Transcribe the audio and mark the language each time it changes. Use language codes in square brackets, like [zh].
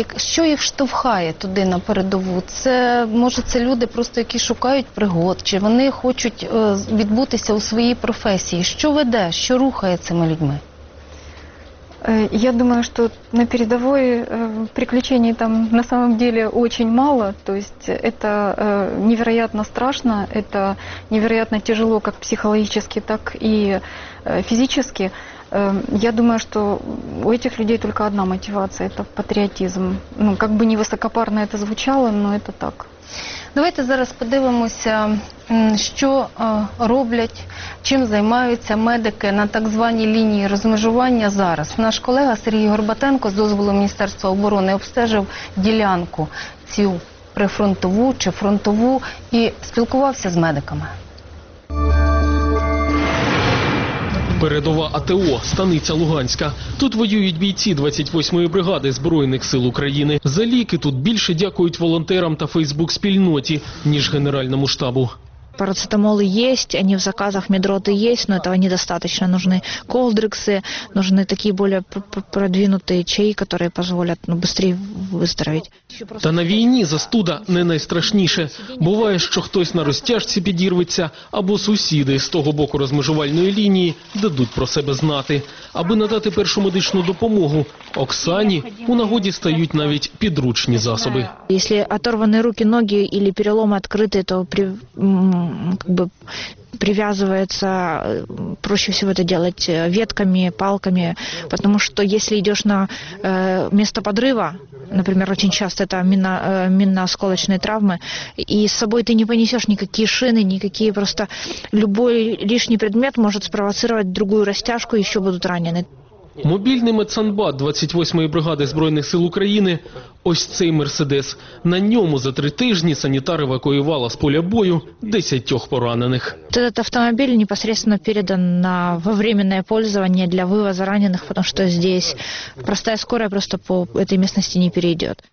[uk] Що їх штовхає туди на передову? Це, може, це люди просто, які шукають пригод, чи вони хочуть відбутися у своїй професії? Що веде? Що рухає цими людьми? [ru] Я думаю, что на передовой приключений там на самом деле очень мало. То есть это невероятно страшно, это невероятно тяжело как психологически, так и физически. Я думаю, что у этих людей только одна мотивация – это патриотизм. Ну, как бы не высокопарно это звучало, но это так. [uk] Давайте зараз подивимося, що роблять, чим займаються медики на так званій лінії розмежування зараз. Наш колега Сергій Горбатенко з дозволу Міністерства оборони обстежив ділянку цю прифронтову чи фронтову і спілкувався з медиками. Передова АТО, Станиця Луганська. Тут воюють бійці 28-ї бригади Збройних сил України. За ліки тут більше дякують волонтерам та Фейсбук-спільноті, ніж Генеральному штабу. [ru] Парацетамолы есть, они в заказах, медроты есть, но этого недостаточно. Нужны колдриксы, нужны такие более продвинутые чаи, которые позволят быстрее выздороветь. [uk] Та на війні застуда не найстрашніше. Буває, що хтось на розтяжці підірветься, або сусіди з того боку розмежувальної лінії дадуть про себе знати. Аби надати першу медичну допомогу, Оксані у нагоді стають навіть підручні засоби. Якщо оторвані руки, ноги або переломи відкриті, то [ru] привязывается, проще всего это делать ветками, палками, потому что если идешь на место подрыва, например, очень часто это минно-осколочные травмы, и с собой ты не понесешь никакие шины, никакие, просто любой лишний предмет может спровоцировать другую растяжку, еще будут ранены. [uk] Мобільний медсанбат 28-ї бригади Збройних сил України – ось цей «Мерседес». На ньому за три тижні санітар евакуювала з поля бою 10 поранених. Цей автомобіль непосередньо переданий на временне використання для вивозу ранених, тому що тут проста скорая просто по цій місцевості не перейде.